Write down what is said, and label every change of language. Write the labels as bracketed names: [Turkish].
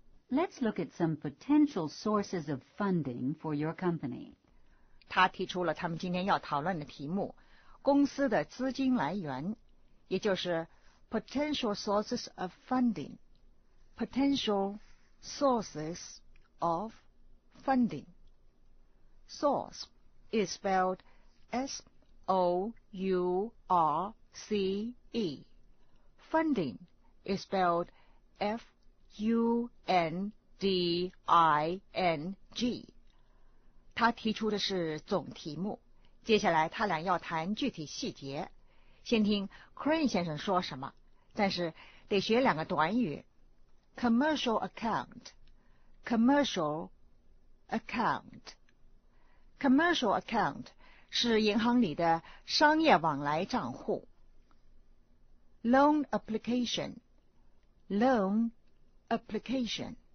[English] Let's look at some potential sources of funding for your company. [Chinese] 他提出了他们今天要讨论的题目，公司的资金来源，也就是 [English] potential sources of funding. Potential sources of funding. Source is spelled S-O-U-R-C-E. Funding is spelled F-U-N-D-I-N-G. [Chinese] 他提出的是总题目，接下来他俩要谈具体细节。先听 Crane 先生说什么，但是得学两个短语。 [English] Commercial account, commercial account. [Chinese] Commercial account 是银行里的商业往来账户。 [English] Loan application, loanApplication.